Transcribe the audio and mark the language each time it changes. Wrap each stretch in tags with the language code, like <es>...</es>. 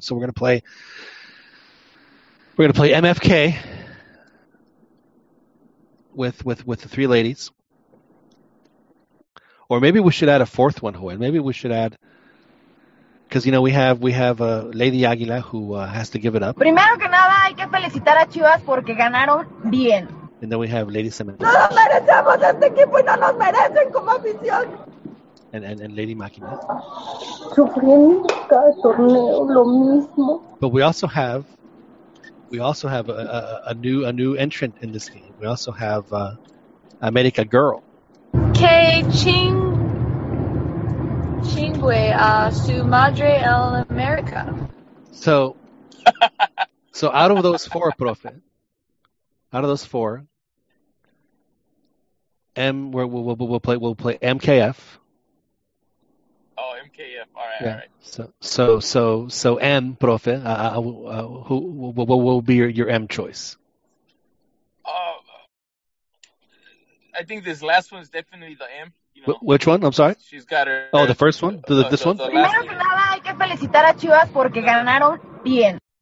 <en>So we're gonna play MFK with the three ladies, or maybe we should add a fourth one, Joel. Maybe we should add, because you know we have a Lady Aguila who has to give it up.</en> <es>Primero que nada, hay que felicitar a Chivas porque ganaron bien.</es> <en>And then we have Lady Cementos.</en> <es>No lo merecemos este equipo y no nos merecen como afición.</es> <en>And Lady Máquina.</en> <es>Sufriendo cada torneo lo mismo.</es> <en>But we also have a new entrant in this game. We also have America Girl.</en> <es>Que chingue a su madre el America.</es> <en>So out of those four, Profe, out of those four. We'll play MKF. Oh, MKF. All right, yeah. So M, Profe, who will be your M choice? I think this last one is definitely the M. You know? Which one? I'm sorry? She's got her. Oh, the first one? This one?</en> <es>Primero que nada, hay que felicitar a Chivas porque ganaron bien.</es>